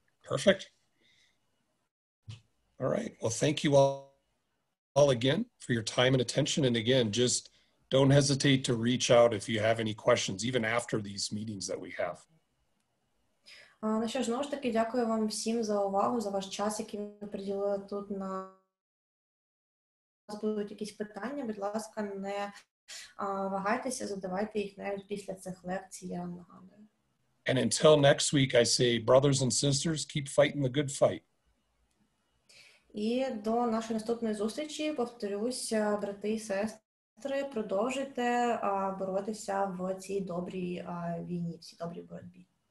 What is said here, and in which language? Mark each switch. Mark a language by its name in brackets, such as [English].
[English] Perfect. All right. Well, thank you all again for your time and attention. And again, just don't hesitate to reach out if you have any questions, even after these meetings that we have. [Ukrainian] Ну що ж, знову ж таки, дякую вам всім за увагу, за ваш час, який ви приділили тут. На вас будуть якісь питання, будь ласка, не вагайтеся, задавайте їх навіть після цих лекцій, я вам нагадую. [English] And until next week, I say, brothers and sisters, keep fighting the good fight. [Ukrainian] І до нашої наступної зустрічі, повторюсь, брати і сестри, продовжуйте боротися в цій добрій війні, в цій добрій боротьбі.